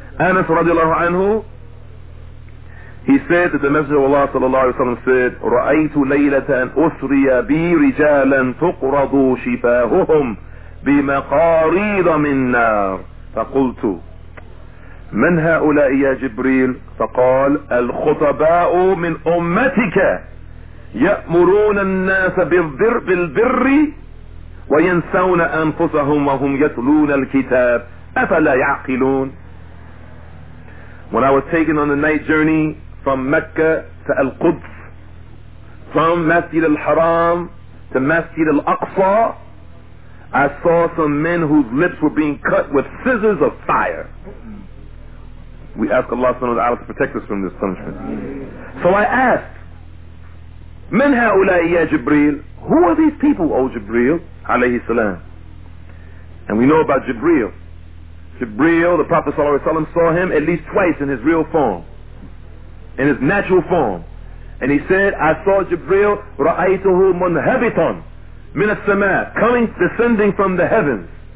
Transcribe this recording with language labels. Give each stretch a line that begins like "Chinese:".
Arabic: Anas رضي الله عنه,
English: he said that the Messenger of Allah
Arabic: صلى الله عليه وسلم said, رأيت ليلة أسري بي رجالا تقرض شفاههم بمقاريض من نار, فقلت من هؤلاء يا جبريل؟ فقال الخطباء من أمتك يأمرون الناس بالبر وينسون أنفسهم وهم يتلون الكتاب أفلا يعقلون.
English: When I was taken on the night journey from Mecca to Al-Quds, from Masjid Al-Haram to Masjid Al-Aqsa, I saw some men whose lips were being cut with scissors of fire. We ask Allah subhanahu wa ta'ala to protect us from this punishment. So I asked,
Arabic: من هؤلاء يا جبريل?
English: Who are these people, O Jibreel alayhi salam? And we know about Jibreel. Jibreel, the Prophet sallallahu alayhi wa sallam, saw him at least twice in his real form, in his natural form. And he said, I saw Jibreel,
Arabic: رأيته منهبطا من السماء,
English: coming, descending from the heavens.